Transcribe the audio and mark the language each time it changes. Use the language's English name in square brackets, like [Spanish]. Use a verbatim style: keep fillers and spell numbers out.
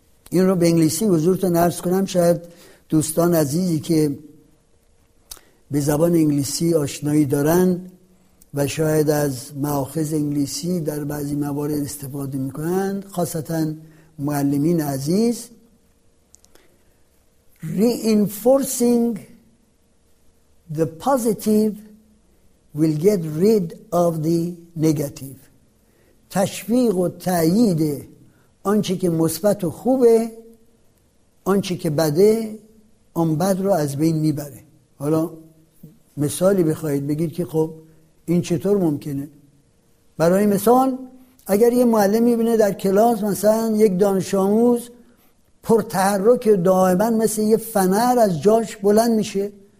[Persian] این رو به انگلیسی حضورتون عرض کنم، شاید دوستان عزیزی که به زبان انگلیسی آشنایی دارن و شاید از مأخذ انگلیسی در بعضی موارد استفاده میکنن، خاصتا معلمین عزیز. [English] Reinforcing the positive will get rid of the negative. [Persian] تشویق و تأیید آنچه که مثبت و خوبه، آنچه که بده، آن بد رو از بین میبره. حالا مثالی بخواید بگید که خب این چطور ممکنه؟ برای مثال اگر یه معلم میبینه در کلاس مثلا یک دانش آموز پرتحرک، دائما مثل یه فنر از جاش بلند میشه،